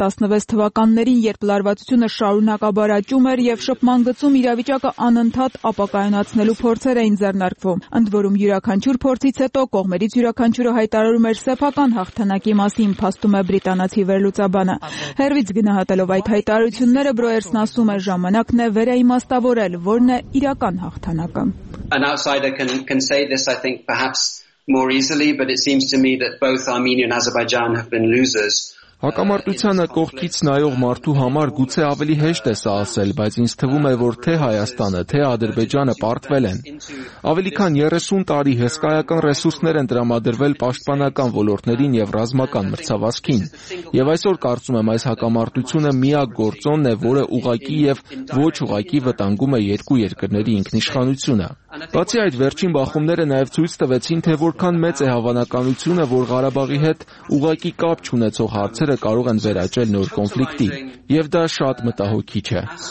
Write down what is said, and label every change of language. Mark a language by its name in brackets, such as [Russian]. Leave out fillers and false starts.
[Armenian] 2016 թվականներին, երբ լարվածությունը շարունակաբար աճում էր եւ շփման գծում իրավիճակը անընդհատ ապակայունացնելու փորձեր էին ձեռնարկվում։ Ընդ որում յուրաքանչյուր փորձից հետո կողմերից յուրաքանչյուրը հայտարարում էր սեփական հաղթանակի մասին, փաստում է բրիտանացի վերլուծաբանը։ Հերվից գնահատելով այդ հայտարարությունները, Բրոյերսն ասում է, ժամանակն է վերաիմաստավորել, որն է իրական հաղթանակը։ [English] An outsider can say this, I think, perhaps more easily, but it seems to me that both Armenia and Azerbaijan have been losers. [Armenian] Հակամարտությանը կողքից նայող մարդու համար գուցե ավելի հեշտ է սա ասել, բայց ինձ թվում է, որ թե Հայաստանը, թե Ադրբեջանը պարտվել են։ Ավելի քան 30 տարի հսկայական ռեսուրսներ են տրամադրվել պաշտպանական ոլորտներին եւ ռազմական մրցավազքին։ Եվ այսօր կարծում եմ, այս հակամարտությունը միակ գործոնն է, որը ուղակի եւ ոչ ուղակի վտանգում է երկու երկրների ինքնիշխանությունը։ Բացի այդ, վերջին բախումները նաև ցույց տվեցին, թե որքան մեծ է հավանականությունը, որ Ղարաբաղի հետ ուղակի կապ չունեցող հարցերը կարող են վերաճել նոր կոնֆլիկտի, և դա շատ մտահոգիչ է։